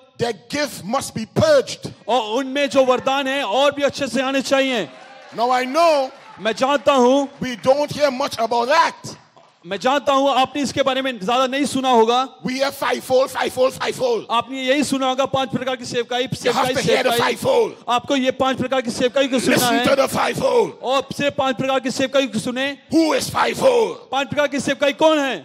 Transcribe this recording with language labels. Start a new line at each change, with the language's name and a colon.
English: their gift must be purged.
Hindi: और उनमें जो वरदान है और भी अच्छे से आने चाहिए.
English: Now I know,
Hindi: मैं जानता हूँ,
English: we don't hear much about that.
Hindi: मैं जानता हूँ आपने इसके बारे में ज्यादा नहीं सुना होगा.
English: We have fivefold.
Hindi: आपने यही सुना होगा पांच प्रकार की सेवकाई. आपको ये पांच प्रकार की सेवकाई को सुना है.
English: Listen to the fivefold.
Hindi: और सिर्फ पांच प्रकार की सेवकाई को सुने.
English: Who is fivefold?
Hindi: पांच प्रकार की सेवकाई कौन है?